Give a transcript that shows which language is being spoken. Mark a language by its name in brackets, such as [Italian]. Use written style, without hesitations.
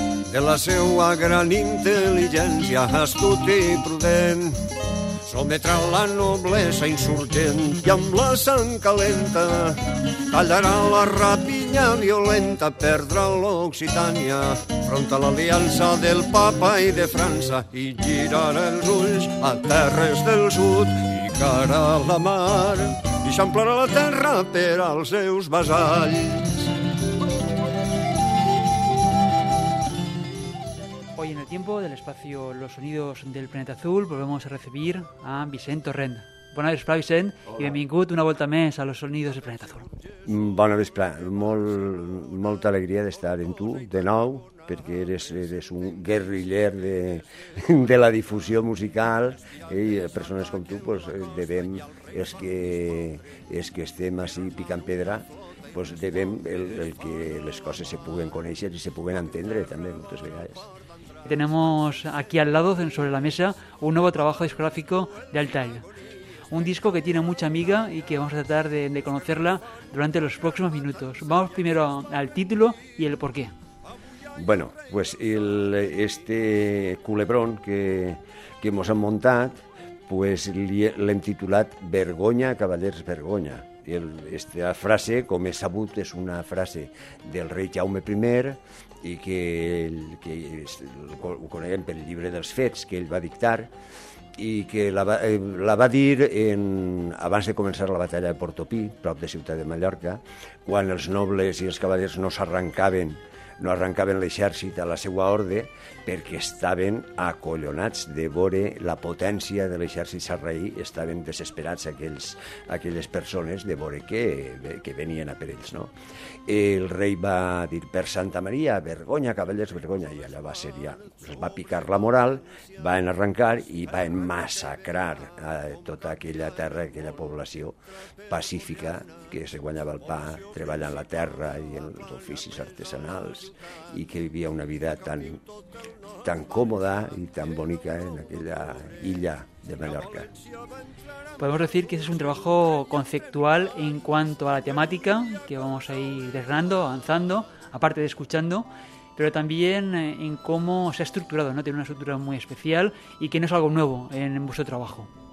[Catalan] De la seua gran intel·ligència, astut i prudent, sometrà la noblesa insurgent i amb la sang calenta tallarà la rapinya violenta, perdrà l'Occitània, fronta l'aliança del papa i de França i girarà els ulls a terres del sud i cara a la mar i eixamplarà la terra per als seus vasalls. [Spanish] Hoy en el tiempo del espacio Los Sonidos del Planeta Azul volvemos a recibir a Vicent Torrent. [Catalan] Bona vesprà, Vicent. Hola. I benvingut una volta més a Los Sonidos del Planeta Azul. Bona vesprà. Molta alegria d'estar en tu, de nou, perquè eres un guerriller de la difusió musical, i persones com tu, pues, devem, és que estem així picant pedra, pues, devem el que les coses se puguen conèixer i se puguen entendre també moltes vegades. [Spanish] Tenemos aquí al lado, sobre la mesa, un nuevo trabajo discográfico de Altail. Un disco que tiene mucha amiga y que vamos a tratar de conocerla durante los próximos minutos. Vamos primero al título y el porqué. Bueno, pues este culebrón que hemos montado, [Catalan] pues l'hem titulat Vergonya, cavallers, vergonya. Aquesta frase, com és sabut, és una frase del rei Jaume I i que ho coneguem pel llibre dels fets que ell va dictar i que la va dir abans de començar la batalla de Portopí, prop de Ciutat de Mallorca, quan els nobles i els cavallers no arrencaven l'exèrcit a la seva ordre perquè estaven acollonats de veure la potència de l'exèrcit sarraí, estaven desesperats aquelles persones de veure que venien a per ells, no? El rei va dir per Santa Maria, vergonya, cavallers, vergonya, i allà va ser ja, va picar la moral, van arrencar i van massacrar tota aquella terra, aquella població pacífica que se guanyava el pa treballant la terra i els oficis artesanals i que vivia una vida tan còmoda i tan bonica en aquella illa de Mallorca. [Spanish] Podemos decir que ese es un trabajo conceptual en cuanto a la temática que vamos a ir desgranando, avanzando, aparte de escuchando, pero también en cómo se ha estructurado, ¿no? Tiene una estructura muy especial y que no es algo nuevo en vuestro trabajo.